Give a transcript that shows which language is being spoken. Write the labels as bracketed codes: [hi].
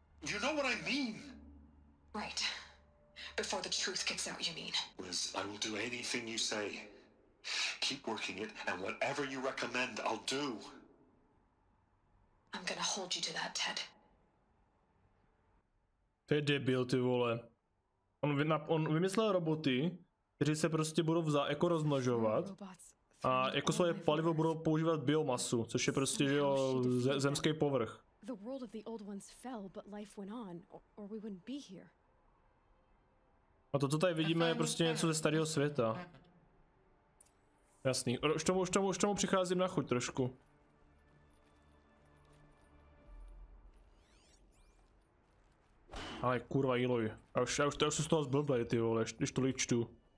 [en] You know what I mean. Right. Before the truth gets out, you mean? Liz, I will do anything you say. Keep working it, and whatever you recommend, I'll do. I'm gonna hold you to that, Ted. [cs] To je debil, ty vole. On vymyslel roboty, kteří se prostě budou jako rozmnožovat a jako svoje palivo budou používat biomasu, což je prostě, že jo, zemský povrch. [en] The world of the old ones fell, but life went on, or we wouldn't be here. [cs] A to, co tady vidíme, je prostě něco ze starého světa. Jasný. Už tomu přicházím na chuť trošku. Ale kurva, Eloy. Já už jsem z toho zblblej, ty vole, když tolik čtu.